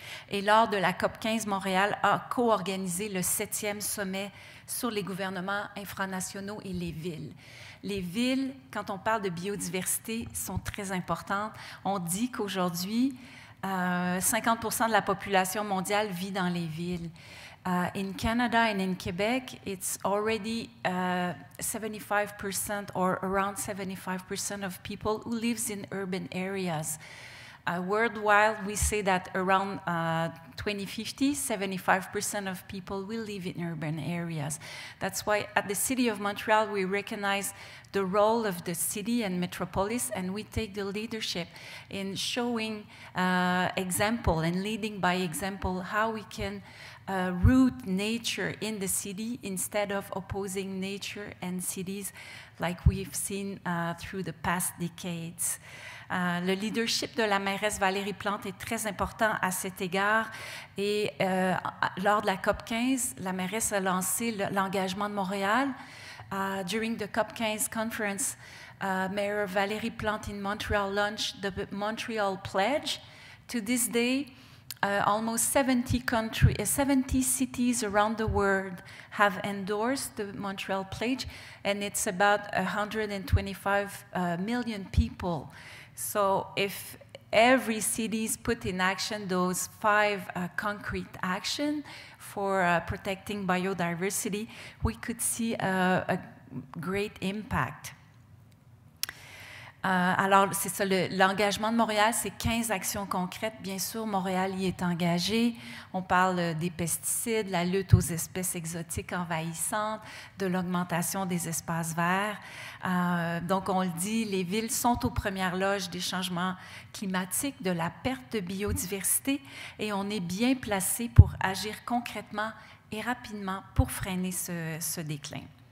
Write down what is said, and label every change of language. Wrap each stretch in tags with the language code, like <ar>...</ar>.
<fr>Et lors de la COP15, Montréal a co-organisé le 7e sommet sur les gouvernements infranationaux et les villes. Les villes, quand on parle de biodiversité, sont très importantes. On dit qu'aujourd'hui, 50 % de la population mondiale vit dans les villes.</fr> <en>In Canada and in Quebec, it's already 75% or around 75% of people who lives in urban areas. Worldwide, we say that around 2050, 75% of people will live in urban areas. That's why at the City of Montreal, we recognize the role of the city and metropolis, and we take the leadership in showing example and leading by example how we can root nature in the city instead of opposing nature and cities like we've seen through the past decades.</en> <fr>Le leadership de la mairesse Valérie Plante est très important à cet égard. Et lors de la COP 15, la mairesse a lancé l'engagement de Montréal.</fr> <en>During the COP 15 conference, Mayor Valérie Plante in Montreal launched the Montreal Pledge. To this day, almost 70 cities around the world have endorsed the Montreal Pledge, and it's about 125 million people. So if every city put in action those five concrete actions for protecting biodiversity, we could see a great impact.</en> <fr>Alors, c'est ça, l'engagement de Montréal, c'est 15 actions concrètes. Bien sûr, Montréal y est engagé. On parle des pesticides, la lutte aux espèces exotiques envahissantes, de l'augmentation des espaces verts. Donc, on le dit, les villes sont aux premières loges des changements climatiques, de la perte de biodiversité, et on est bien placé pour agir concrètement et rapidement pour freiner ce déclin.</fr>